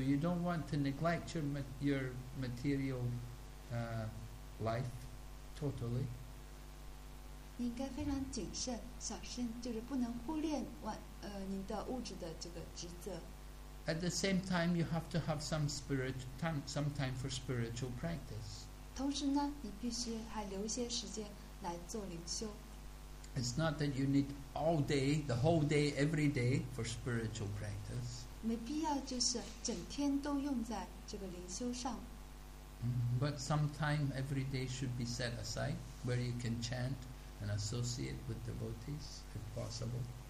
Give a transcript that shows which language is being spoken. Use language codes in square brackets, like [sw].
[en] You don't want to neglect your material life totally. [zh] 你应该非常谨慎小心，就是不能忽略你的物质的这个职责。 [en] At the same time, you have to have some time for spiritual practice. [zh] 同时呢，你必须还留一些时间来做灵修。 [en] It's not that you need all day, the whole day, every day for spiritual practice. [zh] 没必要就是整天都用在这个灵修上。 [en] But some time every day should be set aside where you can chant and associate with devotees if possible.